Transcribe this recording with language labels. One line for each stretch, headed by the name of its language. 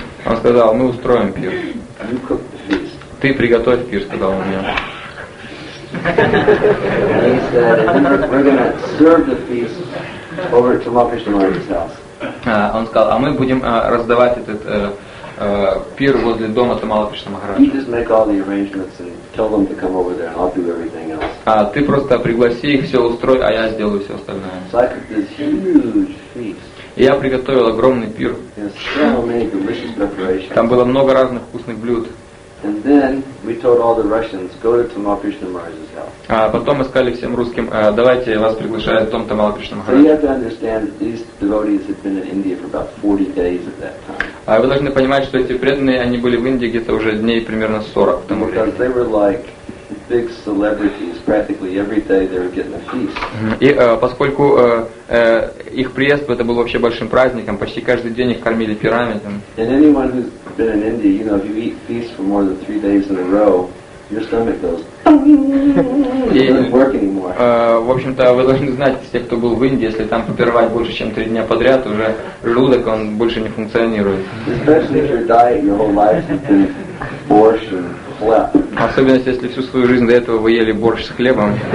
Russian: Он сказал, мы устроим пир.
English: You cook the feast.
Russian: Ты приготовь пир, сказал он мне.
English: He said, we're gonna serve the feast over at Tamakrishnamurti's house.
Russian: Он сказал, а мы будем раздавать этот пир возле дома Тамалакришна Махараджа. Ты просто пригласи их, все устрой, а я сделаю все остальное.
English: So I cooked this huge feast.
Russian: И я приготовил огромный пир.
English: So many delicious preparations.
Russian: Там было много разных вкусных блюд.
English: And then we told all the Russians, go to Tamal Krishna Maharaj's house.
Russian: А потом мы сказали всем русским, давайте вас приглашают в дом Тамал Кришна Махараджа.
English: So you have to understand that these devotees had been in India for about 40 days at that time.
Russian: А вы должны понимать, что эти преданные, они были в Индии где-то уже дней примерно 40.
English: Because they were like big celebrities, practically every day they were getting a feast.
Russian: И поскольку их приезд это был вообще большим праздником, почти каждый день их кормили пирами.
English: And anyone who's been in India, you know, if you eat feast for more than 3 days in a row, your stomach goes.
Russian: В общем-то, вы должны знать, те, кто был в Индии, если там попировать больше, чем 3 дня подряд, уже желудок, он больше не функционирует. Особенно, если всю свою жизнь до этого вы ели борщ с хлебом.